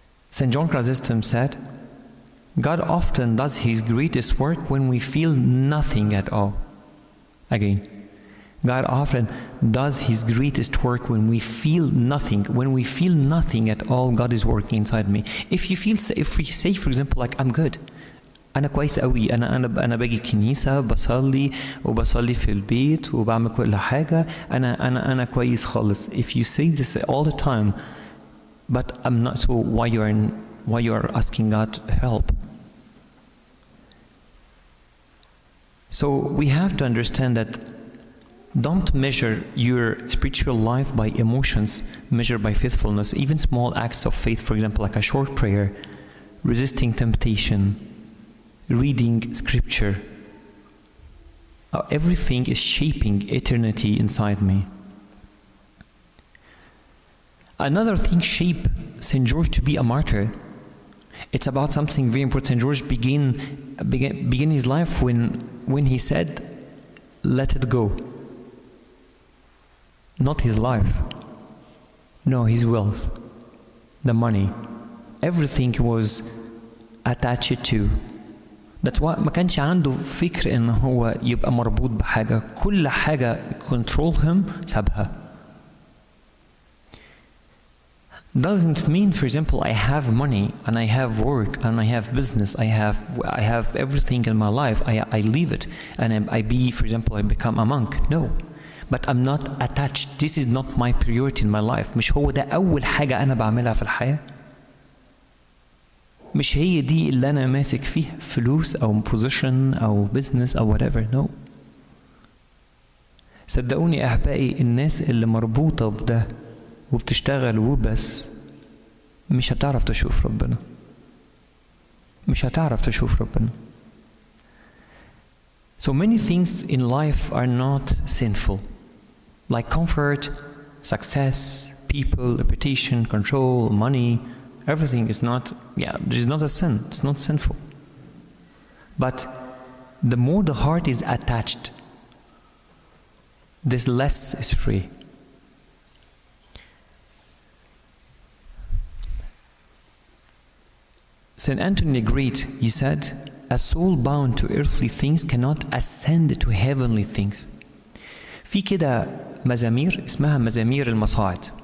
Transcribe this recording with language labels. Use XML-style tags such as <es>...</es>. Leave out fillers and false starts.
<en>St. John Chrysostom said, God often does his greatest work when we feel nothing at all. Again, God often does his greatest work when we feel nothing. When we feel nothing at all, God is working inside me. If you feel, if we say, for example, like, I'm good.</en> <ar>أنا كويس أوي. أنا باجي كنيسة بصلي وبصلي في البيت وبعمل كل حاجة. أنا كويس خالص.</ar> <en>If you say this all the time, but I'm not, so why you are asking God help? So we have to understand that don't measure your spiritual life by emotions, measure by faithfulness. Even small acts of faith, for example, like a short prayer, resisting temptation, reading scripture, everything is shaping eternity inside me. Another thing shape St. George to be a martyr, it's about something very important. St. George began his life when he said, let it go. Not his life, no, his wealth, the money, everything was attached to. That's why</en> <ar>ما كانش عنده فكر ان هو يبقى مربوط بحاجة. كل حاجة</ar> <en>control him,</en> <ar>سابها.</ar> <en>Doesn't mean, for example, I have money and I have work and I have business, I have everything in my life, I leave it and I become a monk. No. But I'm not attached. This is not my priority in my life.</en> <ar>مش هو ده أول حاجة أنا بعملها في الحياة. مش هي دي اللي أنا ماسك فيها. فلوس أو position أو business أو whatever.</ar> <en>No.</en> <ar>صدقوني أحبائي, الناس اللي مربوطة بده وبتشتغل وبس, مش هتعرف تشوف ربنا. مش هتعرف تشوف ربنا.</ar> <en>So many things in life are not sinful. Like comfort, success, people, reputation, control, money, everything is not, it is not a sin, it's not sinful. But the more the heart is attached, this less is free. St. Anthony the Great, he said, a soul bound to earthly things cannot ascend to heavenly things.</en> <ar>في كده مزامير اسمها مزامير المصاعد.</ar>